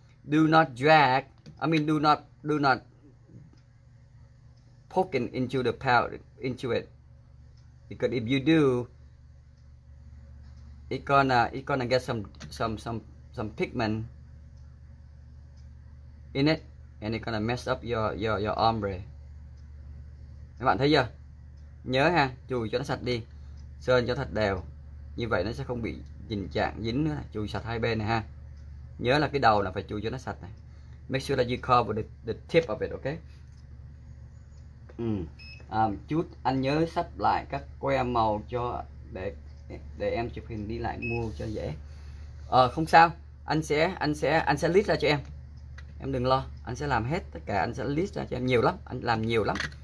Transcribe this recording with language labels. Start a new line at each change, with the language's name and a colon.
English: Do not drag. I mean, do not poking into the powder, into it. Because if you do, it's gonna get some pigment in it, and it's gonna mess up your ombre.
Vietnamese: Các bạn thấy chưa? Nhớ ha, chùi cho nó sạch đi. Sơn cho thật đều. Như vậy nó sẽ không bị tình trạng dính nữa. Chùi sạch hai bên này ha. Nhớ là cái đầu là phải chùi cho nó sạch này.
English: Make sure that you cover the tip of it, ok?
Vietnamese: Chút anh nhớ sắp lại các que màu cho để em chụp hình đi lại mua cho dễ. Không sao, anh sẽ list ra cho em. Em đừng lo, anh sẽ làm hết tất cả, anh sẽ list ra cho em nhiều lắm, anh làm nhiều lắm.